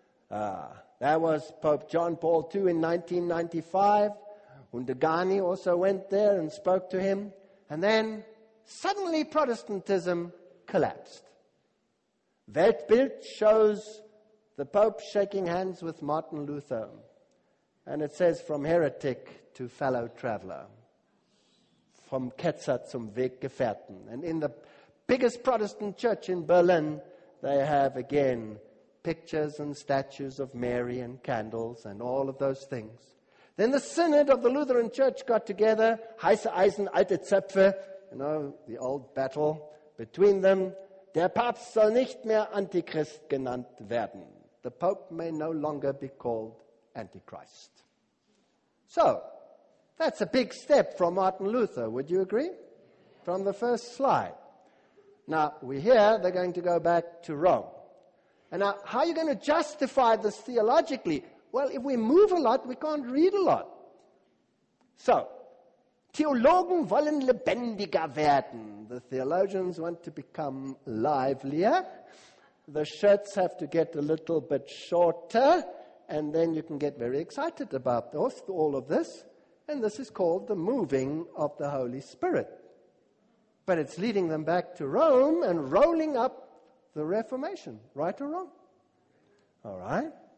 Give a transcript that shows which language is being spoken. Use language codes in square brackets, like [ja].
[en] That was Pope John Paul II in 1995. Undegani also went there and spoke to him. And then suddenly Protestantism collapsed. Weltbild shows the Pope shaking hands with Martin Luther. And it says, from heretic to fellow traveler. [de] From Ketzer zum Weggefährten. [en] And in the biggest Protestant church in Berlin, they have again pictures and statues of Mary and candles and all of those things. Then the synod of the Lutheran church got together, [de] Heiße Eisen, alte Zöpfe, [en] you know, the old battle between them. [de] Der Papst soll nicht mehr Antichrist genannt werden. [en] The Pope may no longer be called Antichrist. So, that's a big step from Martin Luther, would you agree? From the first slide. Now, we hear they're going to go back to Rome. And now, how are you going to justify this theologically? Well, if we move a lot, we can't read a lot. [de] So, Theologen wollen lebendiger werden. [en] The theologians want to become livelier. The shirts have to get a little bit shorter. And then you can get very excited about all of this. And this is called the moving of the Holy Spirit. But it's leading them back to Rome and rolling up the Reformation, right or wrong? All right.